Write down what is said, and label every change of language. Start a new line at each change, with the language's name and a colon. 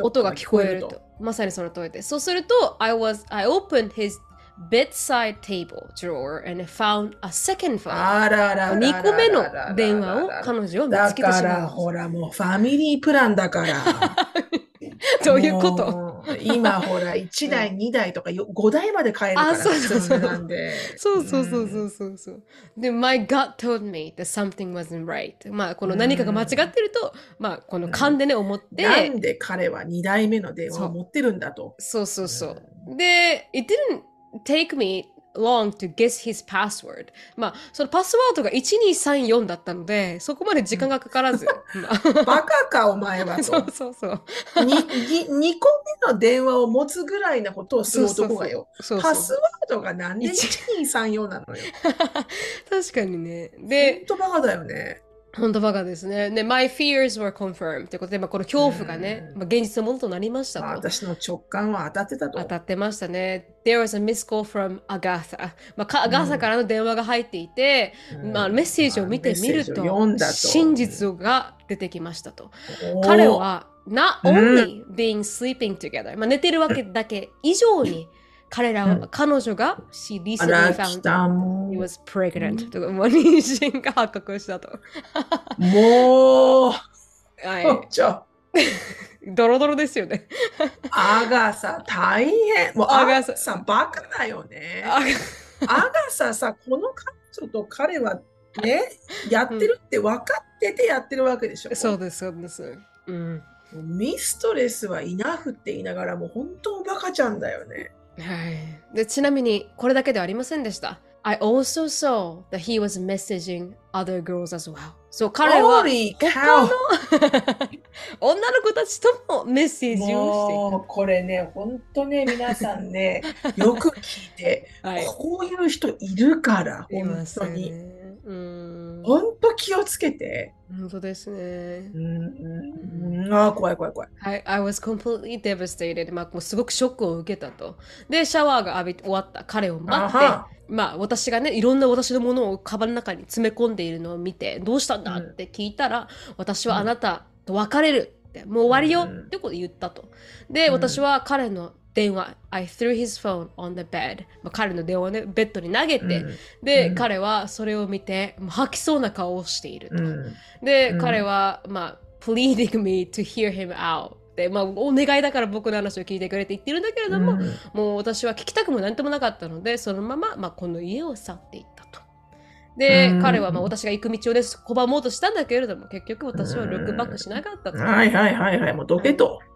Japanese: 音が聞こえると、まさにその通りで、そうすると
English: I opened hisBedside table drawer and found a second phone.
Japanese: 2個目の電話を彼女は見つけてしまう。だからほらもうファミリープランだから。どういうこと？今ほら1台2台とか5台まで買えるから。あ、そうそうそう。そうそうそうそうそうそう。
English: で、my gut told me that something wasn't right。
Japanese: まあこの何かが間違ってると、まあこの勘でね思って。なんで彼は2台目の電話を持ってるんだと。そうそうそう。で、
English: it didn't。 Take me long to guess his password.
Japanese: まあそのパスワードが1234だったので、そこまで時間がかからず。バカかお前はと。そうそうそう。に2個目の電話を持つぐらいなことをする男がよ。そうそうそう。パスワードが何で1234なのよ。確かにね。で、本当バカだよね。本当バカですね。で、
English: my fears were confirmed
Japanese: ということで、まあ、この恐怖がね、まあ、現実のものとなりましたと。私の直感は当たってたと。当たってましたね。
English: There was a missed call from Agatha。
Japanese: まあ、Agathaからの電話が入っていて、うん、まあ、メッセージを見てみると、まあ、と真実が出てきましたと。彼は、
English: not only being sleeping together、
Japanese: まあ、寝てるわけだけ以上に、彼らは、うん、彼女が
English: she recently found he was pregnant、
Japanese: うん、とかもう妊娠が発覚したともう、はい、ちょドロドロですよねアガサ大変もうアガサバカだよねアガサさこの彼女と彼はねやってるって分かっててやってるわけでしょそうですそうです、うん、もうミストレスはイナフって言いながらもう本当バカちゃんだよねはい、でちなみにこれだけではありませんでした。
English: I also saw that he was messaging other girls as well.
Japanese: So 彼は他の女の子たちともメッセージをしていた。もうこれね、本当ね皆さんねよく聞いて、はい、こういう人いるから本当に、ね、本当気をつけて。本当ですね。うんうん、あ怖い怖い怖い。
English: I was completely devastated、まあ。
Japanese: すごくショックを受けたと。で、シャワーが浴びて終わった彼を待って、あまあ、私がね、いろんな私のものをカバンの中に詰め込んでいるのを見て、どうしたんだって聞いたら、うん、私はあなたと別れるって、もう終わりよってこと言ったと。で、私は彼の電話、うん、
English: I threw his phone on the bed、
Japanese: まあ。彼の電話をね、ベッドに投げて、うん、で、うん、彼はそれを見て、もう吐きそうな顔をしていると。
English: うんで、うん、彼は、まあ、pleading me to hear him out.
Japanese: で、まあ、お願いだから僕の話を聞いてくれって言ってるんだけれども、うん、もう私は聞きたくも何ともなかったので、そのまま、まあ、この家を去っていったと。で、うん、彼は、まあ、私が行く道をね、拒もうとしたんだけれども、結局私はルックバックしなかったと。うん、はいはいはいはい、もうどけと。